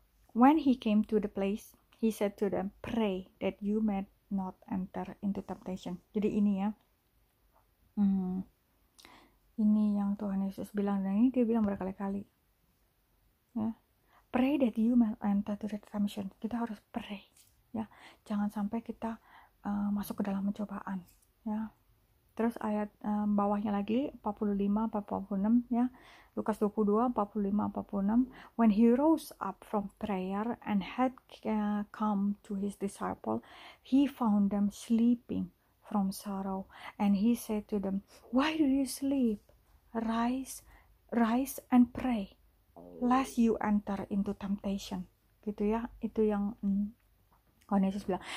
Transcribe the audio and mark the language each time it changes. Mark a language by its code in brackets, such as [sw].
[en] When he came to the place, he said to them, pray that you may not enter into temptation. [id] Jadi ini, ya. Ini yang Tuhan Yesus bilang, dan ini dia bilang berkali-kali. Ya. [en] Pray that you may enter to the temptation. [id] Kita harus pray, ya. Jangan sampai kita masuk ke dalam pencobaan, ya. Terus ayat bawahnya lagi 45 46 ya. [en] Lukas 22 45 46, when he rose up from prayer and had come to his disciple, he found them sleeping from sorrow, and he said to them, why do you sleep? Rise and pray, lest you enter into temptation. [id] Gitu ya, itu yang Tuhan Yesus bilang.